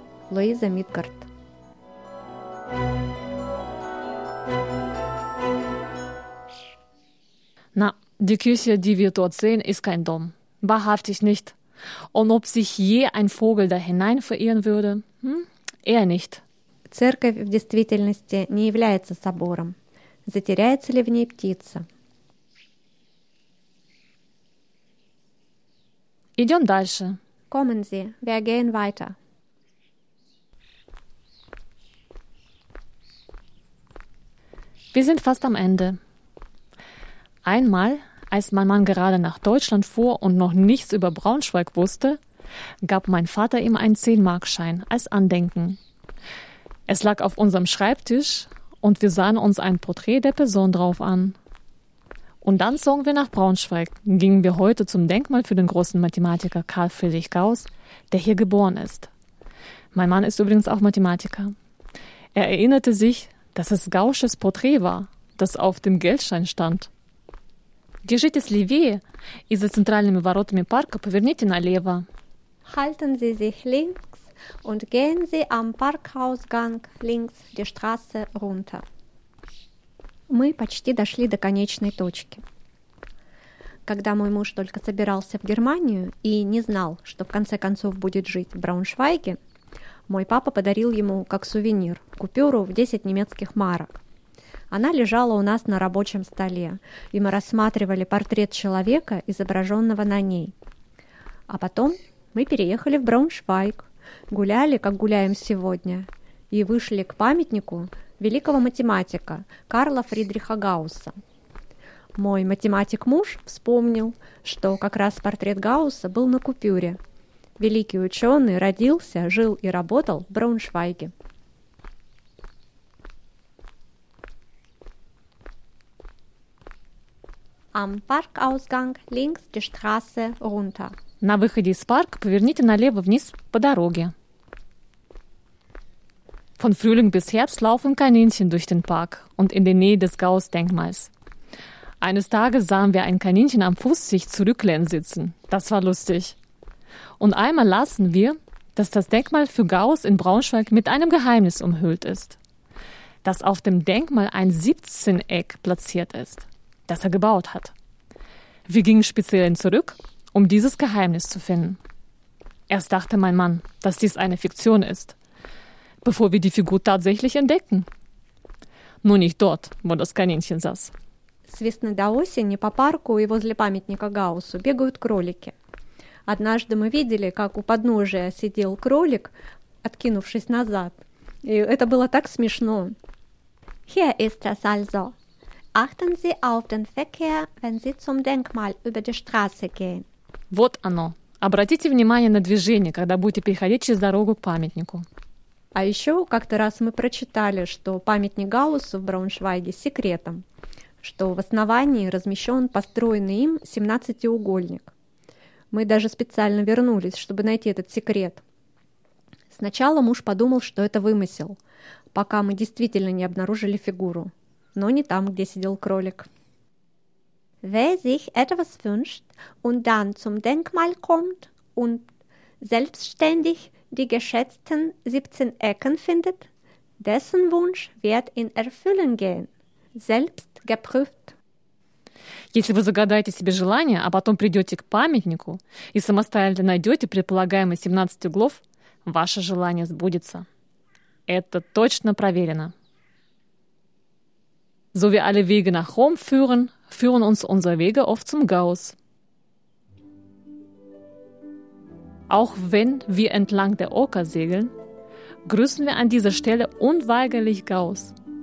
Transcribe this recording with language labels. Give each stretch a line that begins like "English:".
Russian: Луиза Мидгард.
German: Na, die Kirche, die wir dort sehen, ist kein Dom. Wahrhaftig nicht. Und ob sich je ein Vogel da hinein verirren würde? Eher nicht.
Russian: Церковь в действительности не является собором. Затеряется ли в ней птица? Идем дальше.
German: Kommen Sie, wir gehen weiter. Wir sind fast am Ende. Einmal, als mein Mann gerade nach Deutschland fuhr und noch nichts über Braunschweig wusste, gab mein Vater ihm einen 10-Mark-Schein als Andenken. Es lag auf unserem Schreibtisch und wir sahen uns ein Porträt der Person drauf an. Und dann zogen wir nach Braunschweig, gingen wir heute zum Denkmal für den großen Mathematiker Carl Friedrich Gauss, der hier geboren ist. Mein Mann ist übrigens auch Mathematiker. Er erinnerte sich, dass es Gauss'es Porträt war, das auf dem Geldschein stand.
Russian: Держитесь левее, и за центральными воротами парка поверните налево.
German: Halten Sie sich links und gehen Sie am Parkausgang links die Straße runter.
Russian: Мы почти дошли до конечной точки. Когда мой муж только собирался в Германию и не знал, что в конце концов будет жить в Брауншвайге, мой папа подарил ему как сувенир купюру в 10 немецких марок. Она лежала у нас на рабочем столе, и мы рассматривали портрет человека, изображенного на ней. А потом мы переехали в Брауншвайг, гуляли, как гуляем сегодня, и вышли к памятнику великого математика Карла Фридриха Гаусса. Мой математик-муж вспомнил, что как раз портрет Гаусса был на купюре. Великий ученый родился, жил и работал в Брауншвайге.
German: Am Parkausgang links die Straße runter.
Russian: На выходе из парка поверните налево вниз по дороге.
German: Von Frühling bis Herbst laufen Kaninchen durch den Park und in der Nähe des Gauss-Denkmals. Eines Tages sahen wir ein Kaninchen am Fuß sich zurücklehnen sitzen. Das war lustig. Und einmal lasen wir, dass das Denkmal für Gauss in Braunschweig mit einem Geheimnis umhüllt ist. Dass auf dem Denkmal ein 17-Eck platziert ist, das er gebaut hat. Wir gingen speziell zurück, um dieses Geheimnis zu finden. Erst dachte mein Mann, dass dies eine Fiktion ist, bevor wir die Figur tatsächlich entdeckten. Nur nicht dort, wo das Kaninchen saß.
Russian: С весны до осени по парку и возле памятника Гауссу бегают кролики. Однажды мы видели, как у подножия сидел кролик, откинувшись назад. И это было так смешно.
German: Hier ist es also. Achten Sie auf den Verkehr, wenn Sie zum Denkmal über die Straße gehen.
Russian: Вот оно. Обратите внимание на движение, когда будете переходить через дорогу к памятнику. А еще как-то раз мы прочитали, что памятник Гауссу в Брауншвайге секретом, что в основании размещен построенный им 17-угольник. Мы даже специально вернулись, чтобы найти этот секрет. Сначала муж подумал, что это вымысел, пока мы действительно не обнаружили фигуру. Но не там, где сидел кролик.
German: Wer sich etwas wünscht und dann zum Denkmal kommt und selbstständig die geschätzten 17 Ecken findet, dessen Wunsch wird in Erfüllen gehen. Selbst geprüft.
Russian: Если вы загадаете себе желание, а потом придете к памятнику и самостоятельно найдете предполагаемые 17 углов, ваше желание сбудется. Это точно проверено.
German: So wie alle Wege nach Rom führen, führen uns unsere Wege oft zum Gauss. Auch wenn wir entlang der Oker segeln, grüßen wir an dieser Stelle unweigerlich Gauss.